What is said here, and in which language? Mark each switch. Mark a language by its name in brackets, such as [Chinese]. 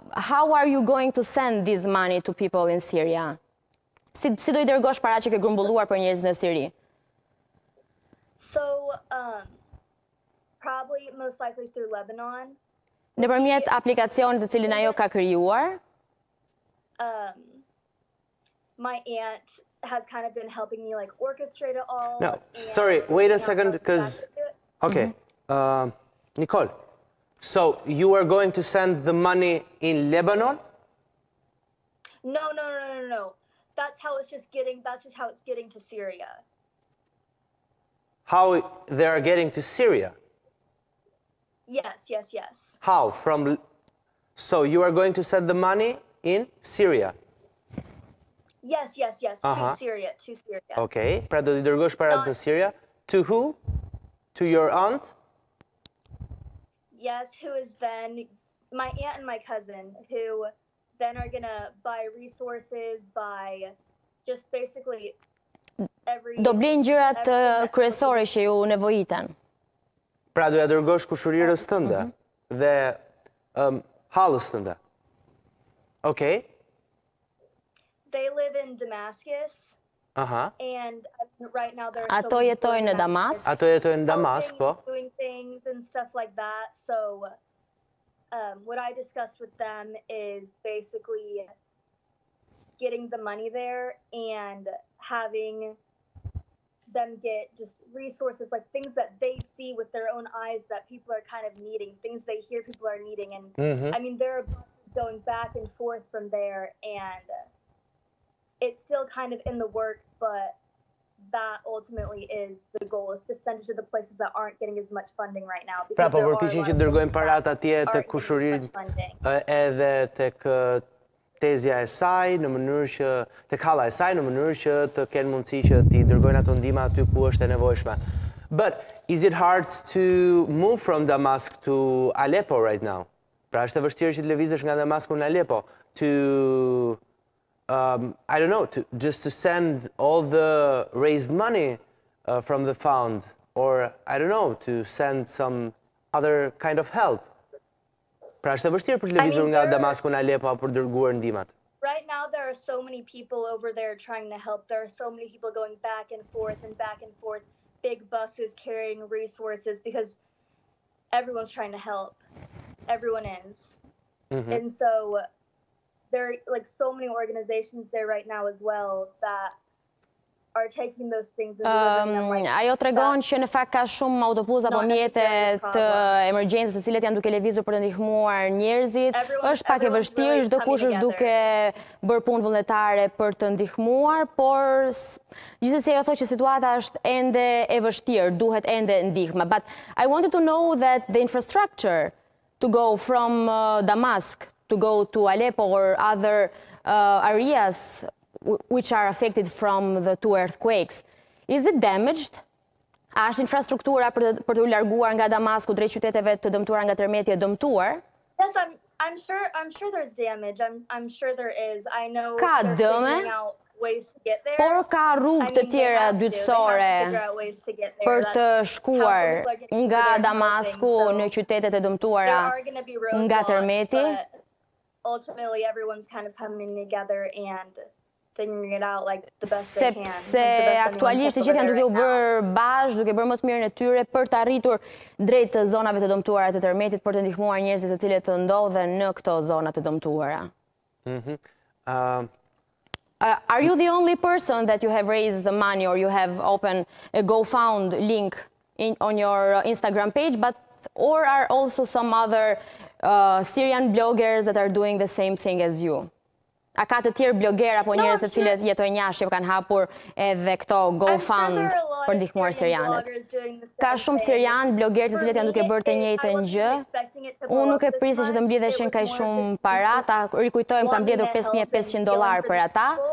[English] How are you going to send this money to people in Syria? [Albanian] Si do I dërgosh para që ke grumbulluar për njerëzit në Siri? [English] So, probably most likely through Lebanon. [Albanian] Nëpërmjet aplikacionit të cilin ajo ka krijuar. [English] My aunt has kind of been helping me like orchestrate it all. No, sorry, wait a second, because okay. Mm-hmm. Nicole, so you are going to send the money in Lebanon? No. That's just how it's getting to Syria. How they are getting to Syria? Yes. How? From so you are going to send the money in Syria? Yes, uh-huh. To Syria. [Albanian] Okay, pra do t'i dërgosh parat në Syria. [English] To who? To your aunt? Yes, who is then my aunt and my cousin, who then are gonna buy resources, buy just basically every... [Albanian] Do blinë gjyrat kryesore që ju nevojiten. Pra do t'i dërgosh kushurirës tënde dhe halës tënde. [English] Okay. They live in Damascus. Uh-huh. And right now they're [Albanian] ato jetojnë në Damask. Ato jetojnë në Damask, po. [English] Doing things and stuff like that. So what I discussed with them is basically getting the money there and having them get just resources, like things that they see with their own eyes that people are kind of needing, things they hear people are needing. And I mean, there are buses going back and forth from there, and it's still kind of in the works, but that ultimately is the goal, is to send it to the places that aren't getting as much funding right now. [Albanian] Pra, po përpiqen që dërgojnë parat atje tek kushurinë edhe tek tezja e saj, në mënyrë që tek halla e saj, në mënyrë që të kenë mundësi që t'i dërgojnë ato ndihma aty ku është e nevojshme. [English] But is it hard to move from Damascus to Aleppo right now? [Albanian] Pra, është e vështirë që të lëvizësh nga Damascus në Aleppo [English] to I don't know, to send all the raised money from the fund, or I don't know, to send some other kind of help. [Albanian] Pra është e vështirë për të lëvizur nga Damasku në Aleppo apo për dërguar ndihmat. [English] Right now there are so many people over there trying to help. There are so many people going back and forth and back and forth, big buses carrying resources, because everyone's trying to help. Everyone is. Mm-hmm. And so there are like so many organizations there right now as well that are taking those things and [Albanian] ajo tregon që në fakt ka shumë autobus apo mjete të emergjencës të cilët janë duke lëvizur për të ndihmuar njerëzit. Është pak e vështirë, çdo kush është duke bërë punë vullnetare për të ndihmuar, por gjithsesi ajo thotë që situata është ende e vështirë, duhet ende ndihmë. [English] But I wanted to know that the infrastructure to go from Damascus to go to Aleppo or other areas which are affected from the two earthquakes. Is it damaged? [Albanian] A është infrastruktura për të larguar nga Damasku drejt qyteteve të dëmtuara nga tërmeti e dëmtuar? [English] Yes, I'm sure there's damage. I'm sure there is. I know [Albanian] ka dëme, por ka rrugë të tjera dytësore për të shkuar nga Damasku në qytetet e dëmtuara nga tërmeti. [English] Ultimately, everyone's kind of coming together and figuring it out like the best [Albanian] sepse [English] they can. [Albanian] Sepse aktualisht të gjithë janë duke u bërë bashkë, duke bërë më të mirën e tyre për të arritur drejt zonave të dëmtuara të tërmetit, për të ndihmuar njerëzit të cilët të ndodhen në këto zona të dëmtuara. Mm-hmm. [English] Are you the only person that you have raised the money or you have opened a GoFund link on your Instagram page, but or are also some other Syrian bloggers that are doing the same thing as you? [Albanian] A ka të tjerë bloger apo njerëz të cilët jetojnë jashtë që kanë hapur edhe këto GoFund për ndihmuar syrianët? Ka shumë syrian bloger të cilët janë duke bërë të njëjtën gjë. Unë nuk e prisë që të mbledheshin kaq shumë para, ta rikujtojmë kanë mbledhur 5500 dollar për ata.